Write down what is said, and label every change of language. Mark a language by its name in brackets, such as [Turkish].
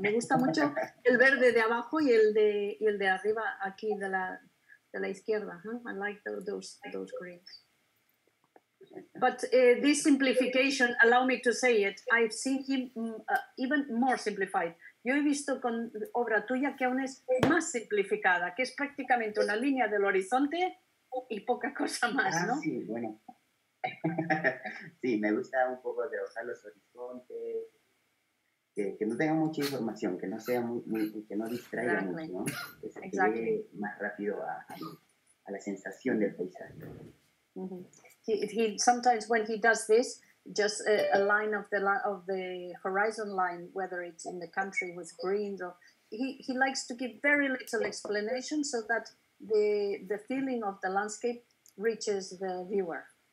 [Spanish] Me gusta mucho el verde de abajo y el de arriba aquí de la izquierda. [English] Huh? I like the, those greens. But this simplification, allow me to say it, I've seen him even more simplified. [Spanish] Yo he visto con obra tuya que aún es más simplificada, que es prácticamente una línea del horizonte y poca cosa más, ¿no? Ah, sí, bueno. Sí, me gusta un poco de usar los horizontes, que no tenga mucha información, que no sea muy que no distraiga mucho, ¿no? Que se llegue más rápido a la sensación del paisaje. Mm-hmm. [English] He sometimes when he does this, just a line of the horizon line, whether it's in the country with greens or he likes to give very little explanation so that the feeling of the landscape reaches the viewer.